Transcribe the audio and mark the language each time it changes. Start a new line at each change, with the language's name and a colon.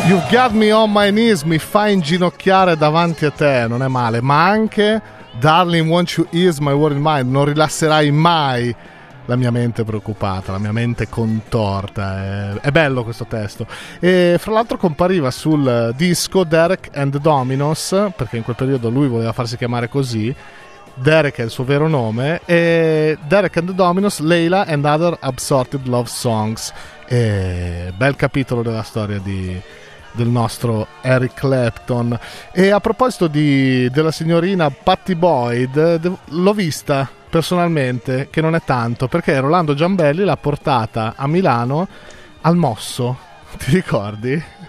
English: Got me on my knees,
Italian: mi fa inginocchiare davanti a te, non è male. Ma anche
English: Darling, won't you ease my worried mind?
Italian: Non rilasserai mai la mia mente preoccupata, la mia mente contorta. È bello questo testo. E fra l'altro compariva sul disco Derek and the Dominos, perché in quel periodo lui voleva farsi chiamare così. Derek è il suo vero nome. E Derek and the Dominos, Layla and Other Absorbed Love Songs. E bel capitolo della storia di... del nostro Eric Clapton. E a proposito di della signorina Patty Boyd, l'ho vista personalmente, che non è tanto, perché Rolando Giambelli l'ha portata a Milano al Mosso, ti ricordi?